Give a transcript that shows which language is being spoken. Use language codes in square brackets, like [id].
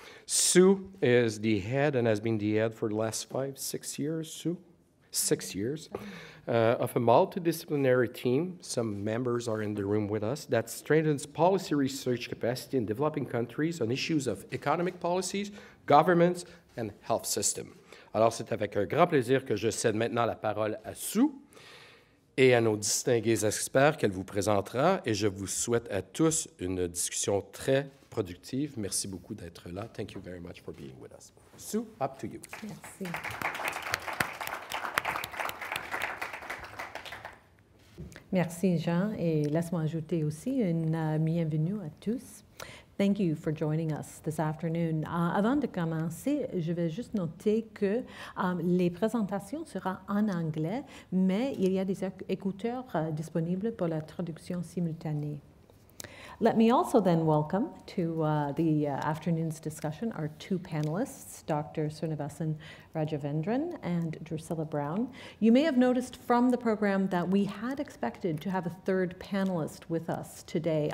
[en] Sue is the head and has been the head for the last six years, of a multidisciplinary team, some members are in the room with us, that strengthens policy research capacity in developing countries on issues of economic policies, governments, and health system. [fr] Alors, c'est avec un grand plaisir que je cède maintenant la parole à Sue et à nos distingués experts qu'elle vous présentera, et je vous souhaite à tous une discussion très productive. Merci beaucoup d'être là. [en] Thank you very much for being with us. Sue, up to you. [fr] Merci. Merci, Jean, et laisse-moi ajouter aussi une bienvenue à tous. [en] Thank you for joining us this afternoon. [fr] Avant de commencer, je vais juste noter que les présentations seront en anglais, mais il y a des écouteurs disponibles pour la traduction simultanée. [en] Let me also then welcome to the afternoon's discussion our two panelists, Dr. Srinivasan Raghavendran and Drusilla Brown. You may have noticed from the program that we had expected to have a third panelist with us today.